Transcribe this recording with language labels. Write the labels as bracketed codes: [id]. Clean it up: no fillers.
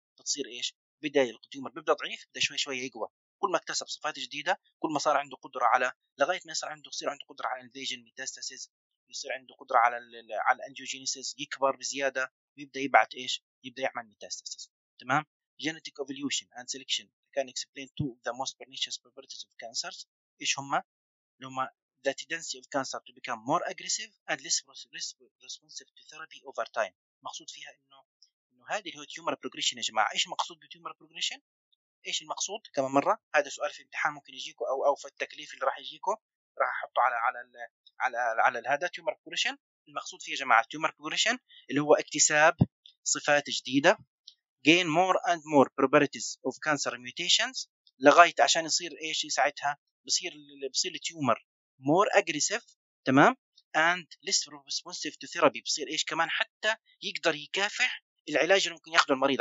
[ar] بتصير ايش بداية التيومر بيبدأ ضعيف بدأ شوي شوي يقوى، كل ما اكتسب صفات جديدة كل ما صار عنده قدرة على لغاية ما صار عنده يصير عنده قدرة على انفيجن ميتاستاسيس، يصير عنده قدرة على الانجيوجينيسيس، يكبر بزيادة ويبدأ يبعت ايش يبدأ يعمل ميتاستاسيس تمام. [en] genetic evolution and selection can explain two of the most pernicious properties of cancers. [ar] ايش هما؟ اللي هما [en] the tendency of cancer to become more aggressive and less responsive to therapy over time. [ar] مقصود فيها انه هذه هو تيومر بروجريشن يا جماعه. ايش مقصود بتيومر بروجريشن؟ ايش المقصود كمان مره؟ هذا سؤال في امتحان ممكن يجيكم او في التكليف اللي راح يجيكم راح احطه على على على على الهذا. تيومر بروجريشن المقصود فيه يا جماعه تيومر بروجريشن اللي هو اكتساب صفات جديده، [en] gain more and more properties of cancer mutations [ar] لغايه عشان يصير ايش ساعتها بصير التيومر [en] more aggressive [ar] تمام [en] and less responsive to therapy، [ar] بصير ايش كمان حتى يقدر يكافح العلاج اللي ممكن ياخده المريض.